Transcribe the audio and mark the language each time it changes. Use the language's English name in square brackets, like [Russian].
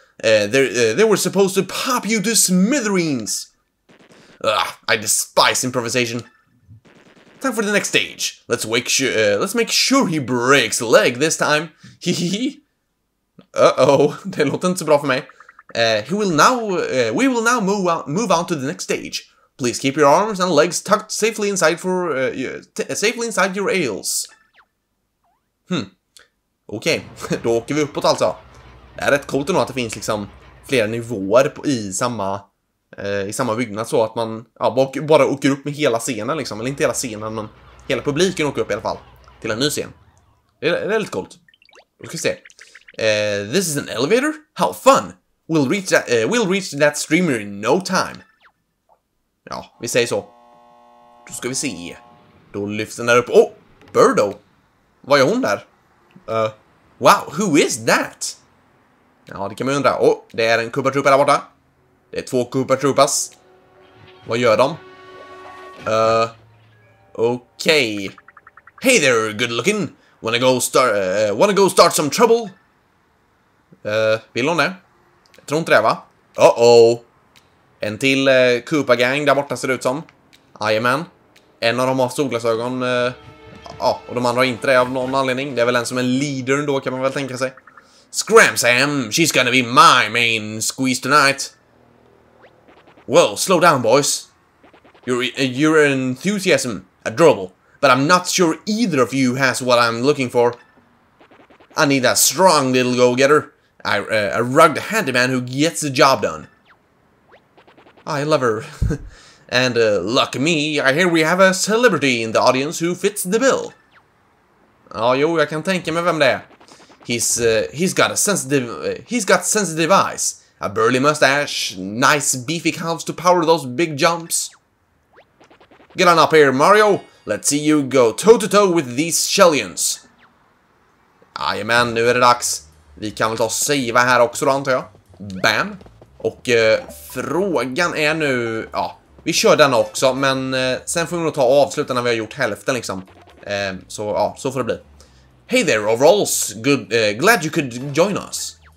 [English] They were supposed to pop you to smithereens. I despise improvisation. Time for the next stage. Let's make sure he breaks a leg this time. [Swedish] Uh-oh, det låter inte så bra för mig. [English] We will now move on to the next stage. Please keep your arms and legs tucked safely inside safely inside your ails. [Swedish] Okej, okay. Då åker vi uppåt alltså. Det är rätt coolt nog att det finns liksom flera nivåer i samma byggnad, så att man bara åker upp med hela scenen liksom. Eller inte hela scenen, men hela publiken åker upp i alla fall till en ny scen. Det är väldigt coolt. Då ska vi se. [English] This is an elevator? How fun! We'll reach that streamer in no time. [Swedish] Ja, vi säger så. Då ska vi se. Då lyfts den där upp. Oh! Birdo! Vad gör hon där? [English] Wow, who is that? [Swedish] Ja, det kan man undra. Oh, det är en Koopa Troopa där borta. Det är två Koopa Troopas. Vad gör de? [English] Okej. Okay. Hey there, good looking. Wanna go start some trouble? [Swedish] Vill hon det? Jag tror inte det, va? Uh-oh. En till Koopa gang där borta ser ut som. Jajamän. En av dem har solglasögon. Ja, och de andra har inte det av någon anledning. Det är väl en som är leader ändå, kan man väl tänka sig. [English] Scram, Sam! She's gonna be my main squeeze tonight. Well, slow down, boys. Your enthusiasm, adorable. But I'm not sure either of you has what I'm looking for. I need a strong little go-getter. A rugged handyman who gets the job done. I love her. And luck me, I hear we have a celebrity in the audience who fits the bill. [Swedish] Ja, jo, jag kan tänka mig vem det är. [English] He's got sensitive eyes, a burly mustache, nice beefy calves to power those big jumps. Get on up here, Mario. Let's see you go toe to toe with these shellions. [Swedish] Aye, man, nu är det dags. Vi kan väl ta save här också då, antar jag. Bam. Och frågan är nu, ja. Vi kör den också, men sen får vi nog ta avslutet när vi har gjort hälften liksom. Så ja, så får det bli. [English] Hey there, overalls. Glad you could join us.